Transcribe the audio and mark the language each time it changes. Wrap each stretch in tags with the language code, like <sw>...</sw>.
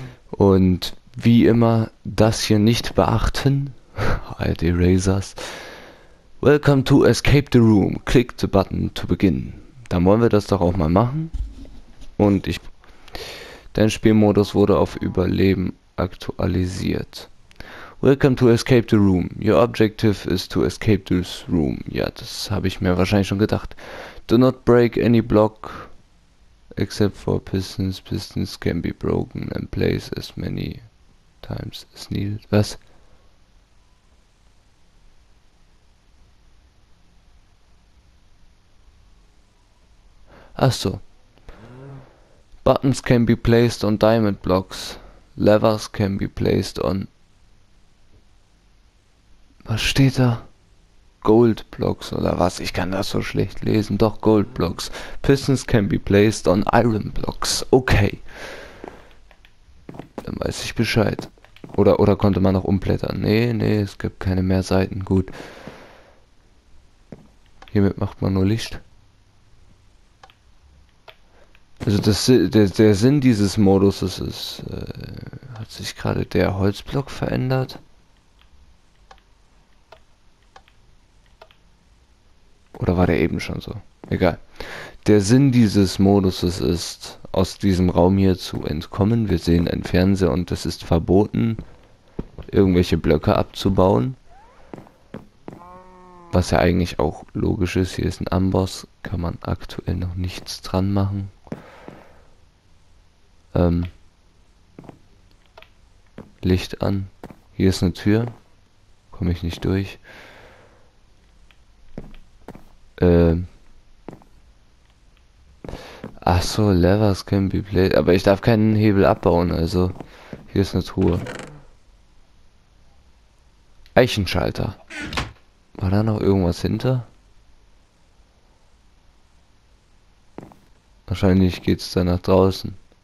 <de>Und wie immer, das hier nicht beachten. Alte Erasers.</de> <en>Welcome to Escape the Room. Click the button to begin.</en> <de>Dann wollen wir das doch auch mal machen. Und ich. Dein Spielmodus wurde auf Überleben aktualisiert.</de> <en>Welcome to Escape the Room. Your objective is to escape this room.</en> <de>Ja, das habe ich mir wahrscheinlich schon gedacht.</de> <en>Do not break any block. Except for pistons. Pistons can be broken and placed as many times as needed.</en> <de>Was?</de> <en>Achso. Buttons can be placed on diamond blocks. Levers can be placed on.</en> <de>Was steht da? Gold blocks oder was? Ich kann das so schlecht lesen. Doch, Gold blocks.</de> <en>Pistons can be placed on iron blocks. Okay.</en> <de>Dann weiß ich Bescheid. Oder konnte man noch umblättern? Nee, es gibt keine mehr Seiten. Gut. Hiermit macht man nur Licht. Also der Sinn dieses Modus ist, hat sich gerade der Holzblock verändert? Oder war der eben schon so? Egal. Der Sinn dieses Modus ist, aus diesem Raum hier zu entkommen. Wir sehen einen Fernseher und es ist verboten, irgendwelche Blöcke abzubauen. Was ja eigentlich auch logisch ist, hier ist ein Amboss, kann man aktuell noch nichts dran machen. Licht an. Hier ist eine Tür. Komme ich nicht durch. Ach so,</de> <en>Levers can be played.</en> <de>Aber ich darf keinen Hebel abbauen. Also, hier ist eine Truhe. Eichenschalter. War da noch irgendwas hinter? Wahrscheinlich geht es da nach draußen.</de>